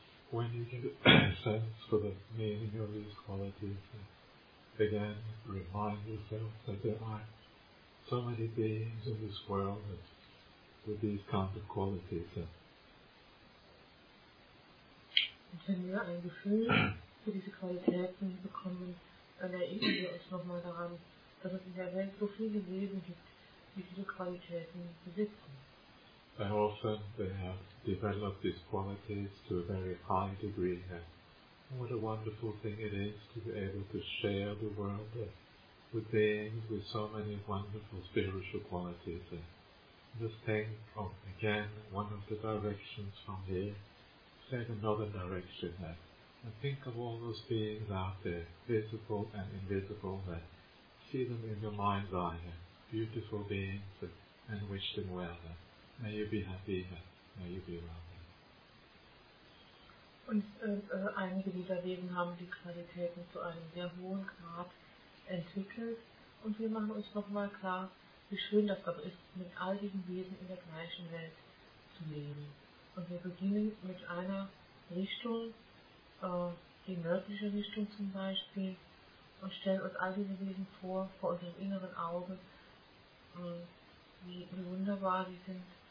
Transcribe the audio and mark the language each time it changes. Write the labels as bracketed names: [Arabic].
[English] when you get a sense for the meaning of these qualities, again, remind yourself that there are so many beings in this world with these kinds of qualities. [German] Wenn wir ein Gefühl für diese Qualitäten bekommen, dann erinnern wir uns nochmal daran, dass es in der Welt so viele Wesen gibt, die diese Qualitäten besitzen. [English] And often they have developed these qualities to a very high degree. What a wonderful thing it is to be able to share the world with beings with so many wonderful spiritual qualities. Just think of, again, one of the directions from here, set another direction. And think of all those beings out there, visible and invisible. See them in your mind's eye, beautiful beings, and wish them well. May you be happy, may you be well. [German] Und einige dieser Wesen haben die Qualitäten zu einem sehr hohen Grad entwickelt. Und wir machen uns nochmal klar, wie schön das aber ist, mit all diesen Wesen in der gleichen Welt zu leben. Und wir beginnen mit einer Richtung, die nördliche Richtung zum Beispiel, und stellen uns all diese Wesen vor unserem inneren Auge, wie wunderbar sie sind.